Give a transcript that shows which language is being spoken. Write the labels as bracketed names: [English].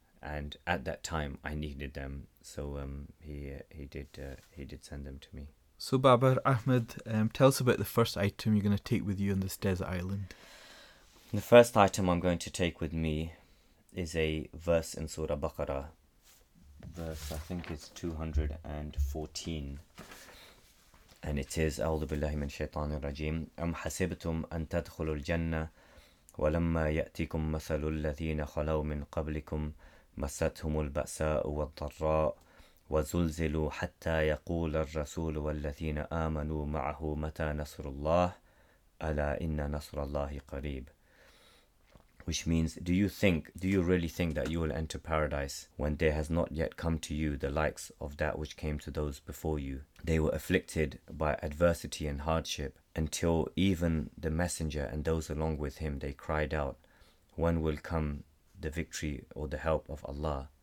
[English] And at that time, I needed them, so he did send them to me. So, Babar Ahmed, tell us about the first item you're going to take with you on this desert island. The first item I'm going to take with me is a verse in Surah Baqarah. Verse, I think it's 214. [Arabic] And it is, أعوذ بالله من الشيطان الرجيم أم حسبتم أن تدخلوا الجنة ولما يأتيكم مثل الذين خلوا من قبلكم مستهم البأساء والضراء وزلزلوا حتى يقول الرسول والذين آمنوا معه متى نصر الله ألا إن نصر الله قريب. [English] Which means, do you really think that you will enter paradise when there has not yet come to you the likes of that which came to those before you? They were afflicted by adversity and hardship until even the messenger and those along with him, they cried out, when will come the victory or the help of Allah?